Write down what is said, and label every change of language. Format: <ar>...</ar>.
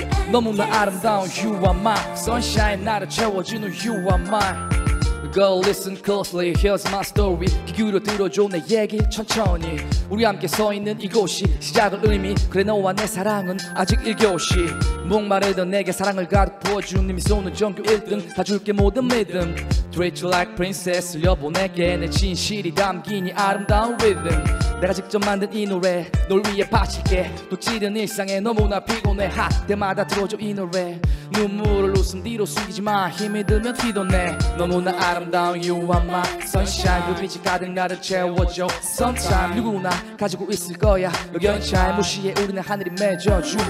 <ko>너무나 아름다운</ko> <en>you are my sunshine.</en> <ko>나를 채워주는</ko> <en>you are my. Girl listen closely, here's my story.</en> <ko>귀 기울여 들어줘 내 얘기 천천히. 우리 함께 서있는 이곳이 시작을 의미. 그래 너와 내 사랑은 아직 1교시. 목마르던 내게 사랑을 가득 부어준 네 미소는 전교 1등. 다 줄게 모든 믿음.</ko> <en>Treat you like princess.</en> <ko>여보 내게 내 진실이 담긴 이 아름다운 rhythm. 내가 직접 만든 이 노래 널 위해 바칠게. 또 찌든 일상에 너무나 피곤해. 하 때마다 들어줘 이 노래. 눈물을 웃음 뒤로 숨기지마. 힘이 들면 티도 내. 너무나 아름다운</ko> <en>you are my sunshine.</en> <ko>불빛이 가득 나를 채워줘. Sometime 누구나 가지고 있을 거야. 여견차에 무시해 우리는 하늘이 맺어줘.</ko>